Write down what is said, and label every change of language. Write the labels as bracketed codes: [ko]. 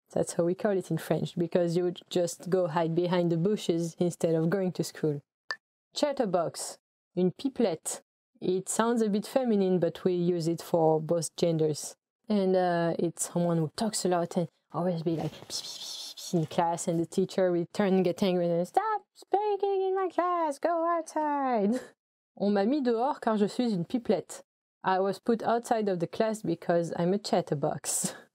[en] That's how we call it in French, because you would just go hide behind the bushes instead of going to school. Chatterbox. Une pipelette. It sounds a bit feminine, but we use it for both genders. And it's someone who talks a lot and always be like in class and the teacher will turn and get angry and stop speaking in my class, go outside. [fr] On m'a mis dehors car je suis une pipelette. [en] I was put outside of the class because I'm a chatterbox.